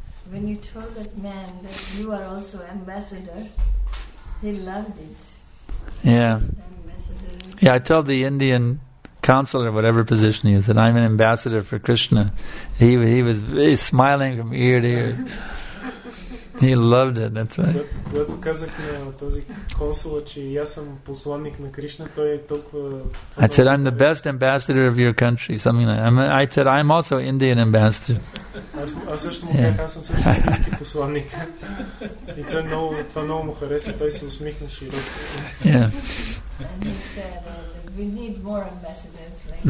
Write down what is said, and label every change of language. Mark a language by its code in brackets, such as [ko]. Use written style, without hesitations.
[en] When you told that man that you are also ambassador, he loved it. Yeah. Yeah, I told the Indian consul or whatever position he is that I'm an ambassador for Krishna. He was very smiling from ear to ear. He loved it, that's right. [bg] Когато казах на този консул, че аз съм посланник на Кришна, той е толкова... [en] I said, I'm the best ambassador of your country, something like that. I said, I'm also Indian ambassador. [bg] Аз също му казах, аз съм също индийски посланник. И той много, това много му хареса, той се усмихна широко. [en] Yeah. And he said, we need more ambassadors like you.